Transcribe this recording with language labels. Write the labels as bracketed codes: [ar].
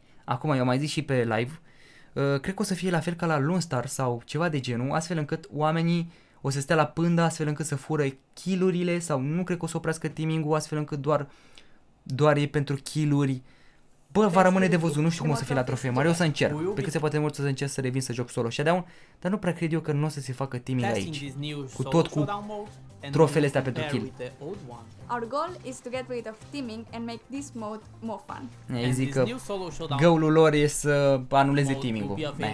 [ro] Acum eu am mai zis și pe live. Cred că o să fie la fel ca la Lone Star sau ceva de genul, astfel încât oamenii o să stea la pândă, astfel încât să fură kill-urile sau nu cred că o să oprească teaming-ul, astfel încât doar e pentru kill-uri. Bă, va rămâne de văzut, nu știu cum o să fie la trofee mare, o să încerc, pe cât se poate mult să încerc să revin să joc solo Shadow, dar nu prea cred eu că nu o să se facă teaming aici, cu tot cu trofeele astea pentru kill. [en] Our goal is to get rid of teaming and make this mode more fun. [ro] Ei zic că goal-ul lor e să anuleze teaming-ul.